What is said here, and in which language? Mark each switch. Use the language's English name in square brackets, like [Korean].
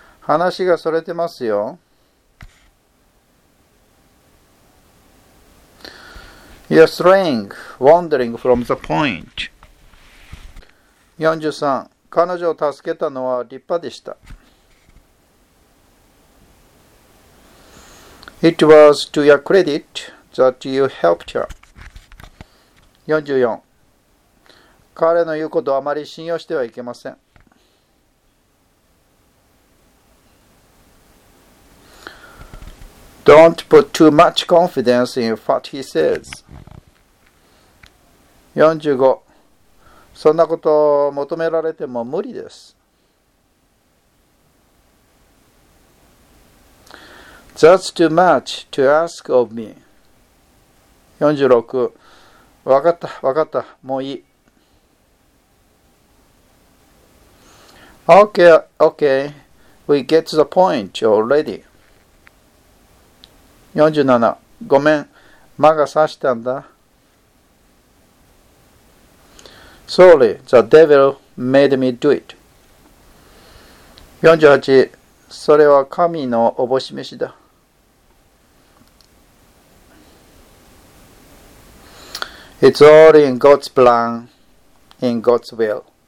[Japanese] 話がそれてますよ。 [English] You're straying, wandering from the point. 43. [Japanese] 彼女を助けたのは立派でした。 [English] It was to your credit that you helped her. 44. [Japanese] 彼の言うことをあまり信用してはいけません。 [English] Don't put too much confidence in what he says. 45. [Japanese] そんなことを求められても無理です。 [English] That's too much to ask of me. 46. [Japanese] わかった。もういい。 [English] Okay. We get the point already. 47. [Japanese] ごめん、魔が差したんだ。 [English] Sorry, the devil made me do it. 48. [Japanese] それは神のおぼし召だ。 [English] It's all in God's plan, in God's will.